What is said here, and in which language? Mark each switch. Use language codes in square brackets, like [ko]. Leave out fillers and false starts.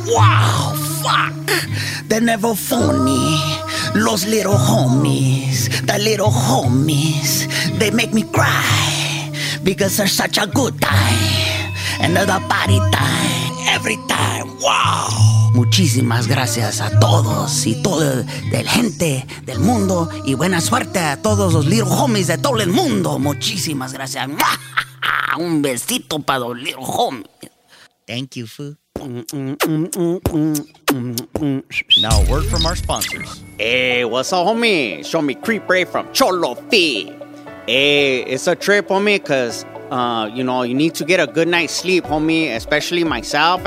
[en] Wow, fuck. They're never phony. Los little homies, the little homies, they make me cry because they're such a good time. Another party time, every time. Wow! [es] Muchísimas gracias a todos y todo el gente del mundo y buena suerte a todos los [en] little homies [es] de todo el mundo. Muchísimas gracias. Un besito para los [en] little homies. Thank you, Fu. Now a word from our sponsors. Hey, what's up, homie? Show me Creep Ray from Cholo Fee. Hey, it's a trip, homie, because You know, you need to get a good night's sleep, homie, especially myself.